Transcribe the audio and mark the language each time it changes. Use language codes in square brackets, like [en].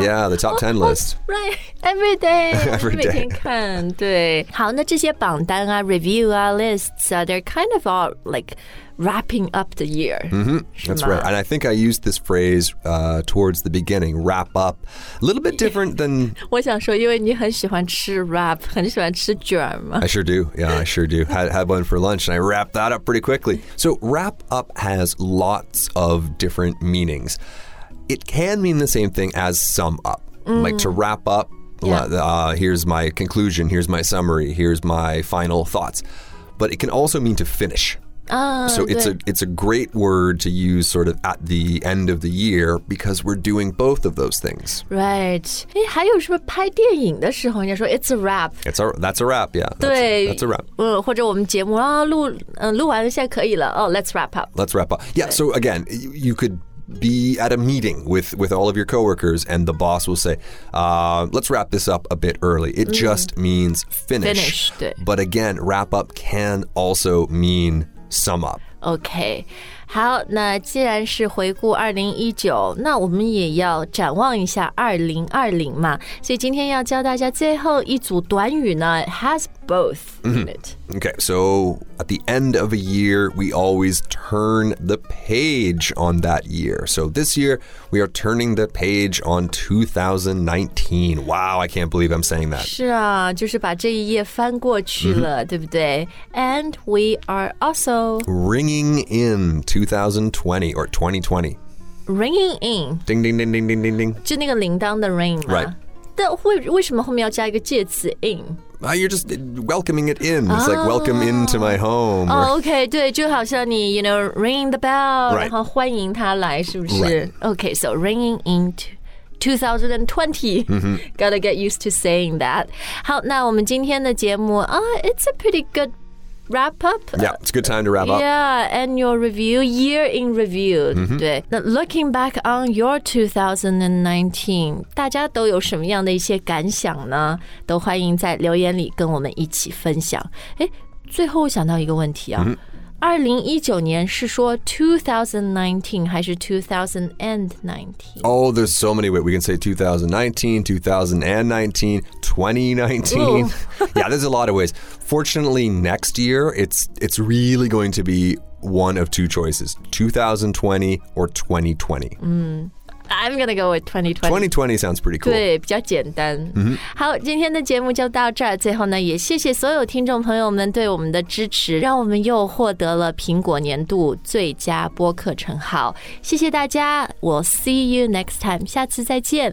[en] Yeah, the top 10 list. Right, every day. Every day. [zh] 每天看,对。好,那这些榜单啊, [en] review 啊, lists, they're kind of all like wrapping up the year. Mm-hmm. That's right. And I think I used this phrase towards the beginning, wrap up. A little bit different than... [zh] 我想说,因为你很喜欢吃 wrap, 很喜欢吃卷嘛。 [en] I sure do. Yeah, I sure do. had one for lunch and I wrapped that up pretty quickly. So wrap up has lots of different meanings. It can mean the same thing as sum up, like to wrap up. Yeah. Here's my conclusion. Here's my summary. Here's my final thoughts. But it can also mean to finish. So it's a great word to use sort of at the end of the year because we're doing both of those things. Right. [zh] 哎，还有是不是拍电影的时候，人家说 [en] it's a wrap. That's a wrap. Yeah. [zh] 对 [en] that's a wrap. [zh] 或者我们节目啊录录完了现在可以了。 [en] Oh, let's wrap up. Let's wrap up. Yeah. So again, you could. Be at a meeting with all of your coworkers, and the boss will say, let's wrap this up a bit early. It just means finish. But again, wrap up can also mean sum up. Okay. [zh] 好，那既然是回顾2019，那我们也要展望一下2020嘛。所以今天要教大家最后一组短语呢 ， [en] has both in it. Okay, so at the end of a year, we always turn the page on that year. So this year, we are turning the page on 2019. Wow, I can't believe I'm saying that. [zh] 是啊，就是把这一页翻过去了，对不对 ？ [en] And we are also ringing in. 2020 or 2020. Ringing in. Ding, ding, ding, ding, ding, ding, ding. [zh] 就那个铃铛的 ring. [en] Right. [zh] 但为什么后面要加一个介词 in? [en] You're just welcoming it in. It's like, welcome into my home. Oh, okay. [zh] 对,就好像你, [en] you know, ring the bell. Right. [zh] 然后欢迎他来,是不是? [en] Right. Okay, so ringing in to 2020. Gotta get used to saying that. [zh] 好,那我们今天的节目, [en] it's a pretty goodWrap up. Yeah, it's a good time to wrap up. Yeah, annual review, year in review. Looking back on your 2019, [zh] 大家都有什么样的一些感想呢？都欢迎在留言里跟我们一起分享。哎，最后我想到一个问题啊。 2019年是说2019还是2019? [en] Oh, there's so many ways. We can say 2019, 2019, 2019. Yeah, there's a lot of ways. Fortunately, next year, it's really going to be one of two choices, 2020 or 2020. I'm going to go with 2020. 2020 sounds pretty cool. [zh] 对,比较简单。好,今天的节目就到这儿。最后呢,也谢谢所有听众朋友们对我们的支持,让我们又获得了苹果年度最佳播客称号。谢谢大家, [en] we'll see you next time, [zh] 下次再见。